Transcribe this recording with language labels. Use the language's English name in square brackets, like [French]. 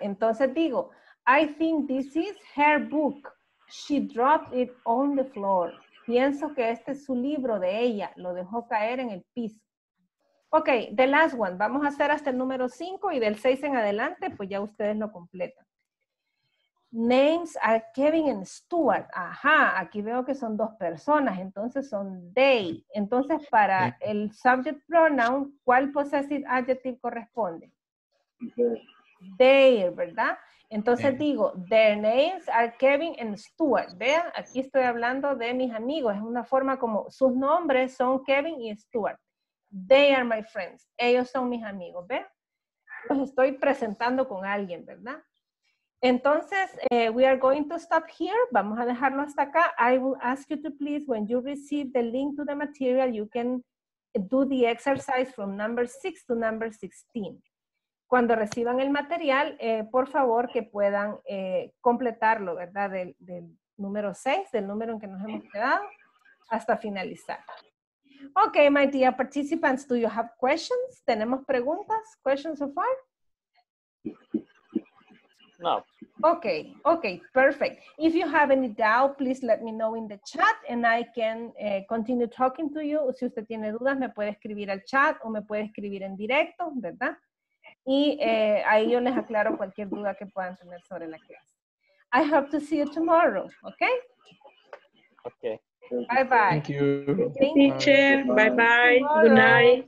[Spanish] Entonces digo, [English] I think this is her book. She dropped it on the floor. [Spanish] Pienso que este es su libro de ella. Lo dejó caer en el piso. [English] Ok, the last one. [Spanish] Vamos a hacer hasta el número 5 y del 6 en adelante, pues ya ustedes lo completan. [English] names are Kevin and Stuart. [Spanish] Ajá, aquí veo que son dos personas, entonces son they. Entonces, para el subject pronoun, ¿cuál possessive adjective corresponde? Their, ¿verdad? Entonces digo, [English] their names are Kevin and Stuart. [Spanish] Vean, aquí estoy hablando de mis amigos. Es una forma como, sus nombres son Kevin y Stuart. [English] They are my friends. [Spanish] Ellos son mis amigos. Vean, los estoy presentando con alguien, ¿verdad? Entonces, [English] we are going to stop here. [Spanish] Vamos a dejarlo hasta acá. [English] I will ask you to please, when you receive the link to the material, you can do the exercise from number 6 to number 16. [Spanish] Cuando reciban el material, por favor que puedan completarlo, ¿verdad? Del número 6, del número en que nos hemos quedado, hasta finalizar. [English] Ok, my dear participants, do you have questions? [Spanish] ¿Tenemos preguntas? [English] ¿Questions so far? [Spanish] No. [English] Ok, ok, perfect. If you have any doubt, please let me know in the chat and I can continue talking to you. [Spanish] Si usted tiene dudas, me puede escribir al chat o me puede escribir en directo, ¿verdad? Y ahí yo les aclaro cualquier duda que puedan tener sobre la clase. [English] I hope to see you tomorrow, okay? Okay. Bye bye. Thank you. Thank you. Teacher, bye bye. Good night.